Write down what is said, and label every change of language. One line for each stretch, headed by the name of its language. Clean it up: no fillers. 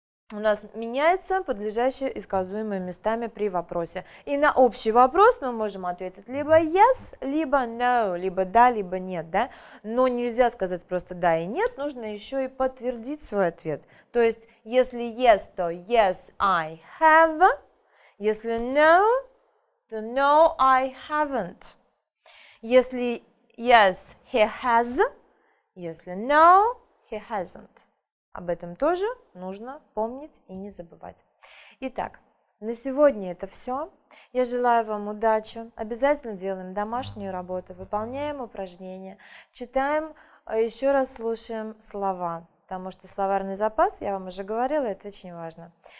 Russian: У нас меняется подлежащее и сказуемое местами при вопросе. И на общий вопрос мы можем ответить либо yes, либо no, либо да, либо нет. Да? Но нельзя сказать просто да и нет, нужно еще и подтвердить свой ответ. То есть, если yes, то
English: yes, I have.
Russian: Если
English: no,
Russian: то
English: no, I haven't.
Russian: Если
English: yes, he has. Если no, he hasn't.
Russian: Об этом тоже нужно помнить и не забывать. Итак, на сегодня это все. Я желаю вам удачи. Обязательно делаем домашнюю работу, выполняем упражнения, читаем, еще раз слушаем слова. Потому что словарный запас, я вам уже говорила, это очень важно.